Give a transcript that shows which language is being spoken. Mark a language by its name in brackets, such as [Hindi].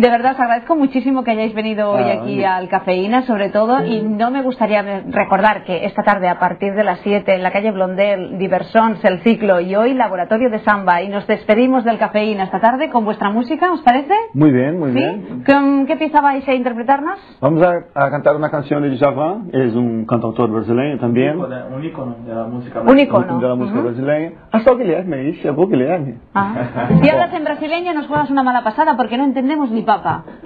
[Spanish] De verdad, os agradezco muchísimo que hayáis venido hoy aquí al Cafeína, sobre todo, y no me gustaría recordar que esta tarde a partir de las 7 en la calle Blondel, Diversons, el ciclo, y hoy Laboratorio de Samba, y nos despedimos del Cafeína esta tarde con vuestra música, ¿os parece? Muy bien, muy bien. ¿Qué pieza vais a interpretarnos? Vamos a cantar una canción de Djavan, es un cantautor brasileño también. Un ícono de la música brasileña. [Portuguese] Hasta o Guilherme, chegou Guilherme. [Spanish] Si hablas en brasileño nos juegas una mala pasada porque no entendemos ni papa.